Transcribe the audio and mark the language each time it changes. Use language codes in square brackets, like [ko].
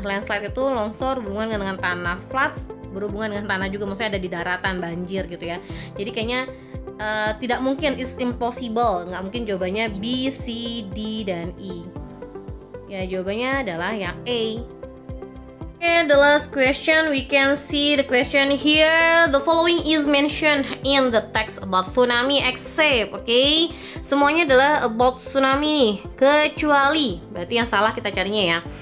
[id] Landslide itu longsor, berhubungan dengan tanah. Floods, berhubungan dengan tanah juga, maksudnya ada di daratan, banjir gitu ya. Jadi kayaknya tidak mungkin, [en] it's impossible. [id] Nggak mungkin jawabannya B, C, D, dan E. Ya, jawabannya adalah yang A. [en] And the last question, we can see the question here. The following is mentioned in the text about tsunami except, okay? [id] Semuanya adalah [en] about tsunami, [id] kecuali, berarti yang salah kita carinya ya.